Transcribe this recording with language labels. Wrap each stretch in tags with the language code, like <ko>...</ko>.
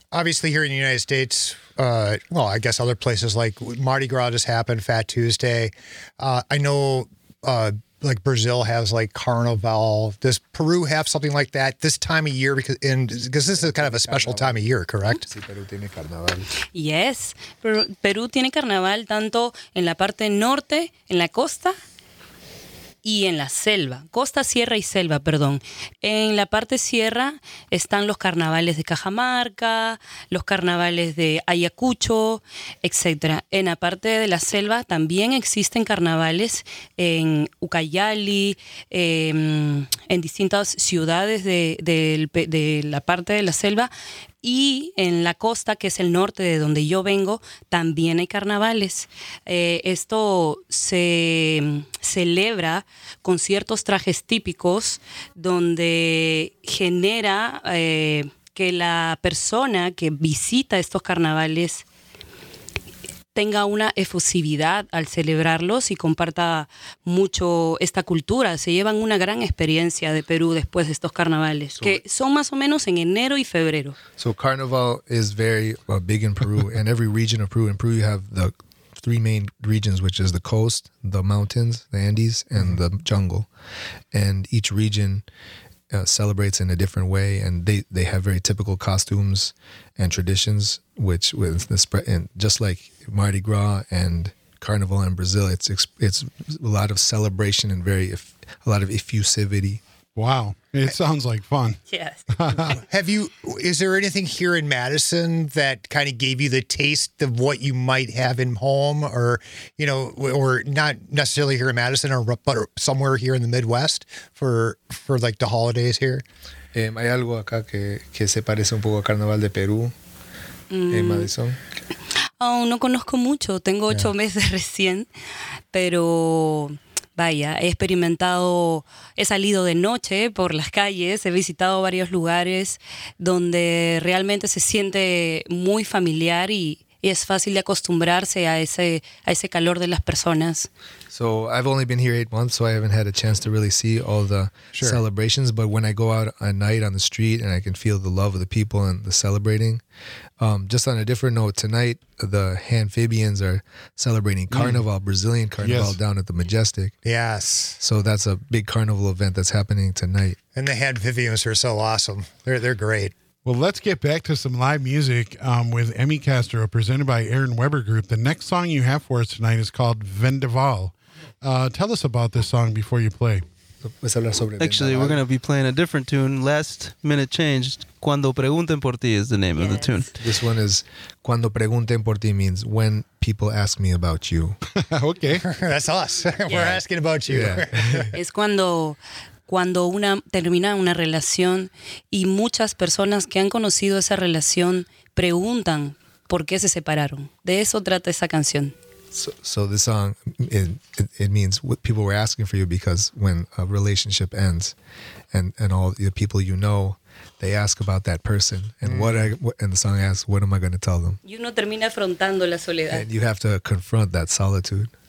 <en>Obviously here in the United States, well, I guess other places like Mardi Gras just happened, Fat Tuesday. I know like Brazil has like Carnival. Does Peru have something like that this time of year? Because this is kind of a special time of year, correct?</en> <es>Sí, Perú tiene Carnaval. Yes, Perú tiene Carnaval tanto en la parte norte, en la costa, y en la selva, costa, sierra y selva, perdón. En la parte sierra están los carnavales de Cajamarca, los carnavales de Ayacucho, etcétera. En la parte de la selva también existen carnavales en Ucayali, en distintas ciudades de la parte de la selva. Y en la costa, que es el norte de donde yo vengo, también hay carnavales. Esto se celebra con ciertos trajes típicos donde genera que la persona que visita estos carnavales tenga una efusividad al celebrarlos y comparta mucho esta cultura. Se llevan una gran experiencia de Perú después de estos carnavales, que son más o menos en enero y febrero.</es> <en>So Carnival is very big in Peru and every region of Peru. In Peru you have the three main regions, which is the coast, the mountains, the Andes, and the jungle. And each region celebrates in a different way, and they have very typical costumes and traditions, which with the spread, and just like Mardi Gras and Carnival in Brazil, it's a lot of celebration and a lot of effusivity. Wow, it sounds like fun. Yes. Is there anything here in Madison that kind of gave you the taste of what you might have in home, or, you know, or not necessarily here in Madison, but somewhere here in the Midwest for like the holidays here?</en> <es>Hay algo acá que se parece un poco al Carnaval de Perú en Madison. Aún no conozco mucho. Tengo 8 meses recién, pero vaya, he experimentado, he salido de noche por las calles, he visitado varios lugares donde realmente se siente muy familiar y y es fácil de acostumbrarse a ese calor de las personas.</es> <en>So I've only been here 8 months, so I haven't had a chance to really see all the sure. celebrations. But when I go out at night on the street and I can feel the love of the people and the celebrating. Just on a different note, tonight the Hanfibians are celebrating Carnival, Brazilian Carnival, yes. down at the Majestic. Yes. So that's a big carnival event that's happening tonight. And the Hanfibians are so awesome. They're great. Well, let's get back to some live music with Emmy Castro, presented by Aaron Weber Group. The next song you have for us tonight is called Vendaval. Tell us about this song before you play. Actually, we're going to be playing a different tune. Last minute change. Cuando Pregunten Por Ti is the name yes. of the tune. This one is Cuando Pregunten Por Ti, means when people ask me about you. Okay. That's us. Yeah. We're asking about you. Yeah.</en> <es>Es cuando... cuando una termina una relación y muchas personas que han conocido esa relación preguntan por qué se separaron. De eso trata esa canción.</es> <en>So this song, it means what people were asking for you because when a relationship ends and all the people you know, they ask about that person. And the song asks, what am I going to tell them?</en> <es>Y uno termina afrontando la soledad.</es> <en>And you have to confront that solitude.</en>